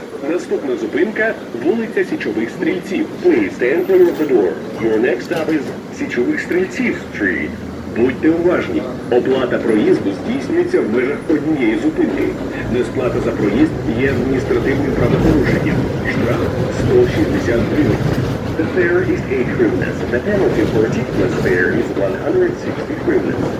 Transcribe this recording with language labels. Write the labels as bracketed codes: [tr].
[uk] Наступна зупинка – вулиця Січових Стрільців. [en] Please stand for the door. Your next stop is Січових Стрільців Street. [uk] Будьте уважні, оплата проїзду здійснюється в межах однієї зупинки. Несплата за проїзд є адміністративним правопорушенням. Штраф – 160 гривень. [en] The fare is 8 гривнес. The penalty for a ticketless fare is 160 гривнес.